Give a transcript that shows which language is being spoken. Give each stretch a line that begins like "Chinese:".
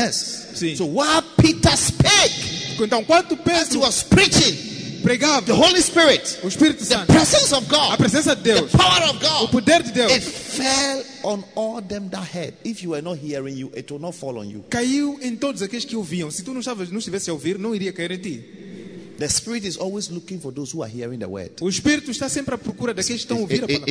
English: Yes.
Portuguese: Sim.
English: So while Peter spake,
Portuguese: então quando Pedro,
English: as he was preaching,
Portuguese: pregava,
English: the Holy Spirit,
Portuguese: o Espírito Santo,
English: the presence of God,
Portuguese: a presença de Deus,
English: the power of God,
Portuguese: o poder de Deus,
English: it fell on all them that heard. If you were not hearing you, it will not fall on you.
Portuguese: Caiu em todos aqueles que ouviam. Se tu não estivesse a ouvir, não iria cair em ti.
English: The Spirit is always looking for those who are hearing the word.
Portuguese: O Espírito está sempre à procura daqueles que estão a ouvir a palavra.